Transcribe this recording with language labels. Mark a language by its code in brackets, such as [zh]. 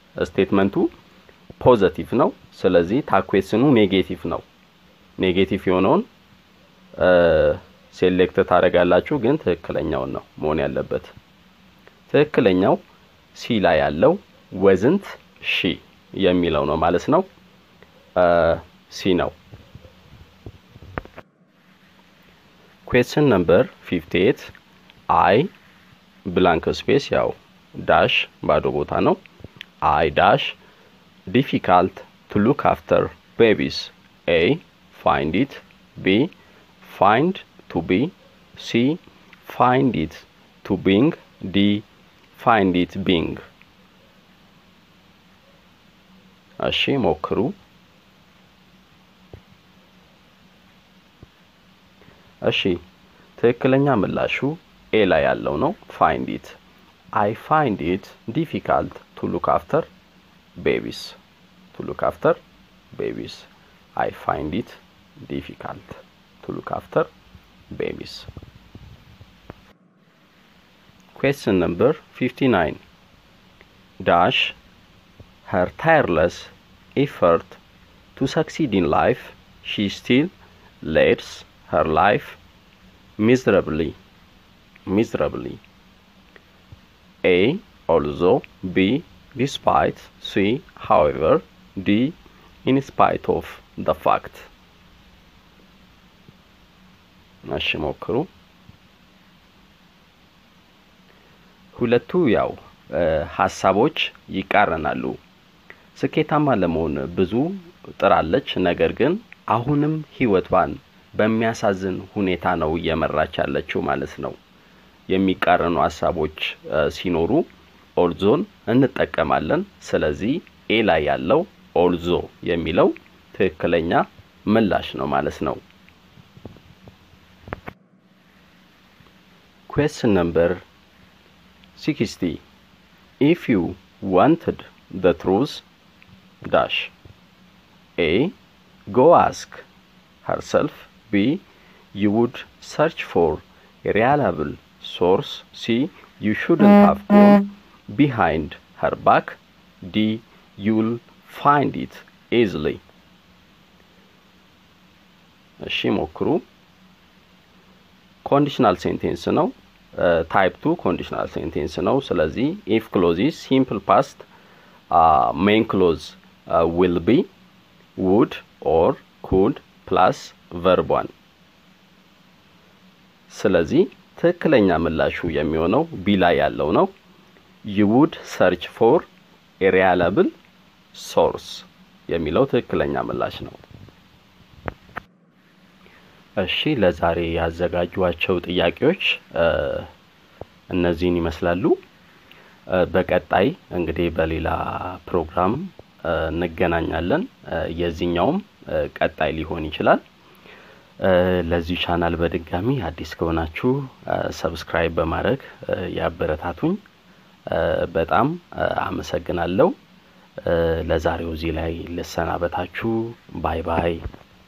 [am] statementu positive ነው ስለዚህ ታ questionu negative ነው። negative የሆነውን select ታረጋላችሁ ግን ትክክለኛው ነው መሆን ያለበት። ትክክለኛው C ላይ ያለው [en] wasn't she [am] የሚለው ነው ማለት ነው። C ነው። [en] question number 58. I blank space ያው dash [am] ባዶ ቦታ ነው። [en] I dash difficult to look after babies. A find it, B find to be, C find it to being, D find it being. [am] እሺ ሞክሩ። እሺ ትክክለኛ ምላሹ ኤ ላይ ያለው ነው [en] find it. I find it difficult to look after babies. to look after babies. I find it difficult to look after babies. question number 59. dash her tireless effort to succeed in life, she still leads her life miserably. miserably. A although, B despite, C however, D in spite of the fact. [am] እሺ ሞክሩ። ሁለቱ ያው ሐሳቦች ይቃረናሉ። ስኬታማ ለመሆን ብዙ ጥራለች ነገር ግን አሁንም ህይወቷን በሚያሳዝን ሁኔታ ነው እየመራች ያለችው ማለት ነው። የሚቃረኑ ሐሳቦች ሲኖሩ ኦልዞን እንጠቀማለን። ስለዚህ ኤ ላይ ያለው ኦልዞ የሚለው ትክክለኛ ምላሽ ነው ማለት ነው። [en] question number 60. if you wanted the truth dash a go ask herself, b you would search for a reliable source, c you shouldn't have gone behind her back, d you'll find it easily. [am] እሺ ሞክሩ። [en] conditional sentence ነው type 2 conditional sentence ነው። ስለዚህ if clauses simple past main clause will be, would or could plus verb 1. [am] ስለዚህ ትክክለኛ ምላሹ የሚሆነው b ላይ ያለው ነው። [en] you would search for a reliable source [am] የሚለው ትክክለኛ ምላሽ ነው። እሺ ለዛሬ ያዘጋጃቸው ጥያቄዎች እነዚህን ይመስላሉ። በቀጣይ እንግዲህ በሌላ ፕሮግራም እንገናኛለን። የዚህኛውም ቀጣይ ሊሆን ይችላል። ለዚህ ቻናል በድጋሚ አዲስ ከሆናችሁ ሰብስክራይብ በማድረግ ያበረታቱኝ በጣም አመሰግናለሁ። ለዛሬው እዚህ ላይ ልሰናበታችሁ። ባይ ባይ።